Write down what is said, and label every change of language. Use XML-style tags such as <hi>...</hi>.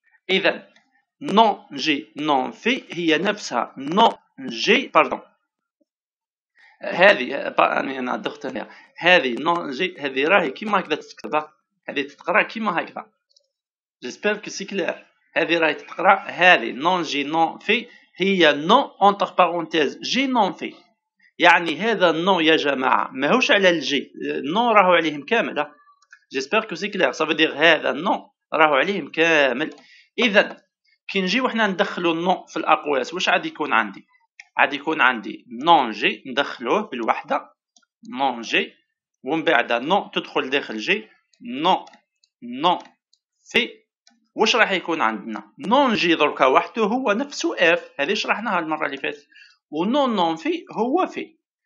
<ar>اذا نون جي نون في هي نفسها نون جي باردون، هذه باني انا دخلت هنا، هذه نون جي هذه راهي كيما هكذا تكتبها، هذه تتقرا كيما هكذا.</ar> <fr>J'espère que c'est clair.</fr> <ar>هذه راهي تقرا هذه نون جي نون في هي نون اونتر بارونتيز جي نون في، يعني هذا النون يا جماعه ماهوش على الجي، النون راهو عليهم كامل.</ar> <fr>J'espère que c'est clair. Ça veut dire</fr> <ar>هذا النون راهو عليهم كامل. اذا كي نجيو حنا ندخلوا النون في الاقواس واش عاد يكون عندي؟ عاد يكون عندي نون جي ندخلوه بالوحده نون جي، ومن بعد نون تدخل داخل جي نون نون في. واش راح يكون عندنا؟ نون جي دركا وحده هو نفسه اف، هذه شرحناها المره اللي فاتت، ونون نون في هو في.</ar>